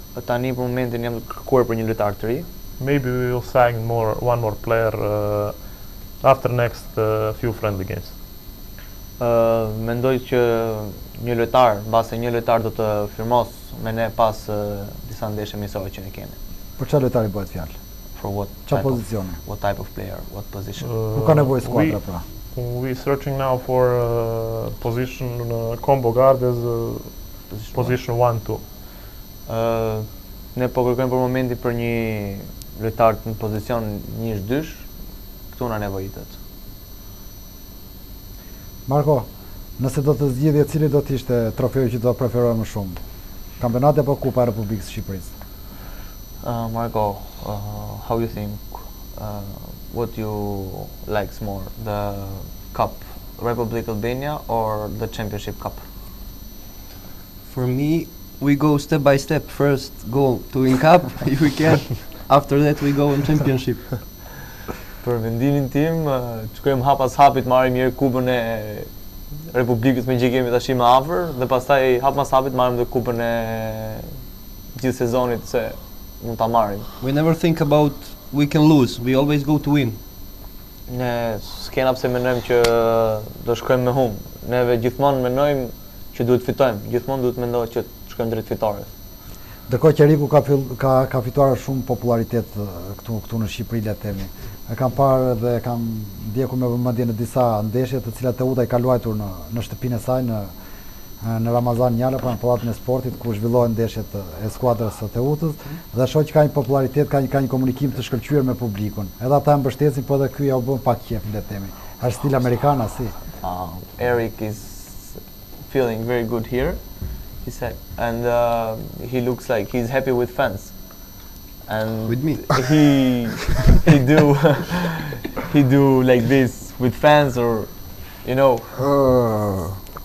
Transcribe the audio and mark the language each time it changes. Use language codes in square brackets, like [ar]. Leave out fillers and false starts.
[sq] Tani për momentin jam kërkuar për një lojtar të ri. [en] Maybe we will sign one more player after next few friendly games. [sq] Mendoj që një lojtar, mbase një lojtar do të firmos me ne pas disa ndeshje miqësore që ne kemi. Për çfarë lojtari bëhet fjalë? [en] For what? [sq] Çfarë pozicioni? [en] What type of player? What position? [sq] Nuk ka nevojë skuadra pra. [en] We searching now for position combo guard as position 1-2. [sq] Ne po kërkojmë për momentin për një lojtar në pozicion 1-2. Këtu na nevojitet. Marko, nëse do të zgjidhje, cili do të ishte trofeu që do të preferoje më shumë? Kampionati apo Kupa e Republikës Shqipërisë? [en] Marko, how you think what you likes more, the Cup, Republic Albania or the Championship Cup? For me, we go step by step. First, go to win cup if we can. After that, we go in championship. [sq] Për vendimin tim, që kemi hap pas hapit, marrim një kupën e Republikës me që kemi tash më afër, dhe pastaj hap pas hapit marrim dhe kupën e gjithë sezonit se mund ta marrim. [en] We never think about we can lose, we always go to win. [sq] Ne s'kena pse mendojmë që do shkojmë me hum. Neve gjithmonë mendojmë që duhet fitojmë, gjithmonë duhet mendojmë që shkojmë drejt fitores. Ndërkohë që Riku ka fituar shumë popularitet këtu në Shqipëri, le të themi. E kam parë dhe kam ndjekur me vëmendje në disa ndeshje të cilat Teuta i ka luajtur në shtëpinë e saj në Ramazan Njala, pra në pallatin e sportit ku zhvillohen ndeshjet e skuadrës së Teutës, dhe shoh që ka një popularitet, ka një komunikim të shkëlqyer me publikun. Edhe ata e mbështesin, po edhe ky ja u bën pak qef, le të themi. Është stil amerikan, si. [en] Eric is feeling very good here. He said, and he looks like he's happy with fans. And with me, he do like this with fans, or you know.